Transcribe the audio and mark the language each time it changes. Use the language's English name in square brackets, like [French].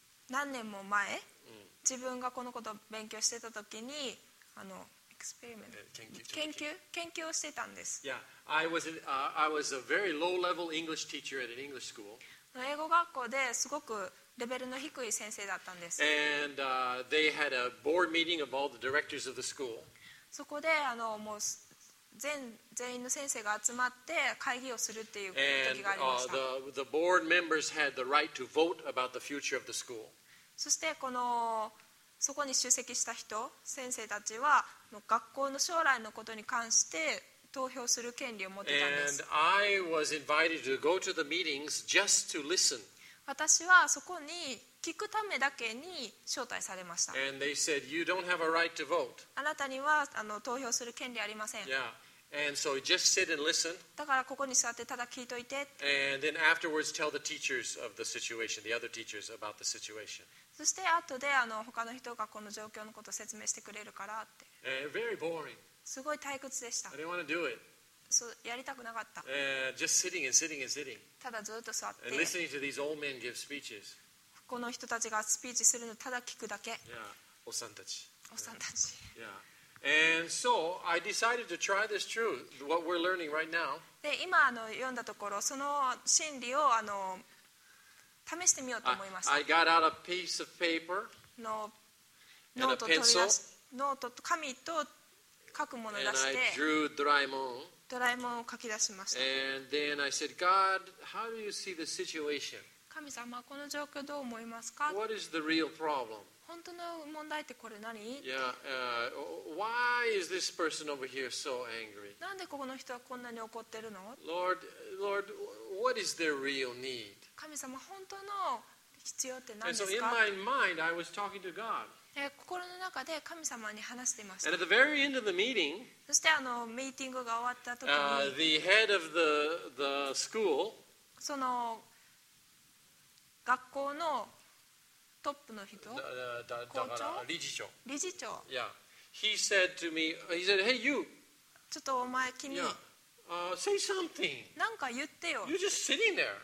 [Japanese] 何年も前、自分がこのことを勉強してた時に、experiment 研究をしてたんです。 [English] Yeah, I was a very low level English teacher at an English school. [Japanese] 英語学校ですごくレベルの低い先生だったんです。 [English] And, they had a board meeting of all the directors of the school. [Japanese] そこでもう全員の先生が集まって会議をするっていう時がありました。 [English] And, the board members had the right to vote about the future of the school. [Japanese] そしてこのそこに出席した人先生たちは学校の将来のことに関して投票する権利を持っていたんです。 [English] And I was invited to go to the meetings just to listen. [Japanese] 私はそこに聞くためだけに招待されました。 [English] And they said, you don't have a right to vote. [Japanese] あなたには投票する権利ありません。 [English] Yeah. And so just sit and listen. [Japanese] だからここに座ってただ聞いといて。 [English] And then afterwards tell the teachers of the situation, the other teachers about the situation. [Japanese] そして後で他の人がこの状況のことを説明してくれるからって。 [English] And very boring. [Japanese] すごい退屈でした。 [English] I didn't want to do it. [Japanese] そうやりたくなかった。 [English] Just sitting and sitting and sitting. [Japanese] ただずっと座って。 [English] And listening to these old men give speeches. [Japanese] この人たちがスピーチするのただ聞くだけ。 Yeah. おっさんたち。おっさんたち。 [English] Yeah. And so I decided to try this truth, what we're learning right now. [Japanese] で今読んだところその真理を試してみようと思いました。 [English] I got out a piece of paper. [Japanese] のノート取り出し、ノートと紙と書くものを出して、 [English] And I drew Doraemon. [Japanese] ドラえもんを書き出しました。 [English] And then I said, God, how do you see the situation? [Japanese] 神様、この状況どう思いますか? [English] What is the real problem? [Japanese] 本当の問題ってこれ何? [English] Yeah, why is this person over here so angry? [Japanese] なんでここの人はこんなに怒ってるの? [English] Lord, what is their real need? [Japanese] 神様、本当の必要って何ですか? [English] And so in my mind, I was talking to God. [Japanese] 心の中で神様に話していました。 [English] And at the very end of the meeting, [Japanese] そしてミーティングが終わった時に、 [English] the head of the school, [Japanese] その学校のトップの人、校長、理事長、理事長、 [English] yeah, he said to me, he said, hey you, [Japanese] ちょっとお前君、 [English] yeah, say something, [Japanese] なんか言ってよ。 [English] You're just sitting there.